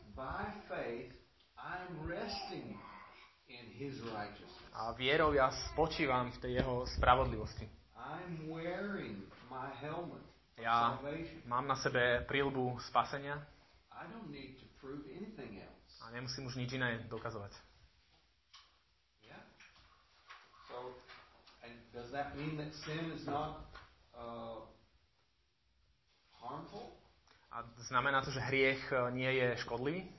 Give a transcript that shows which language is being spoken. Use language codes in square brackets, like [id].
[en] By faith, I'm resting in his righteousness. [sk] A vierou ja spočívam v tej jeho spravodlivosti. [en] I'm wearing my helmet. [sk] Ja mám na sebe prilbu spasenia. [en] I don't need to prove anything else. [sk] A nemusím už nič iné dokazovať. [en] Yeah. So and does that mean that sin is not harmful? [sk] A znamená to, že hriech nie je škodlivý?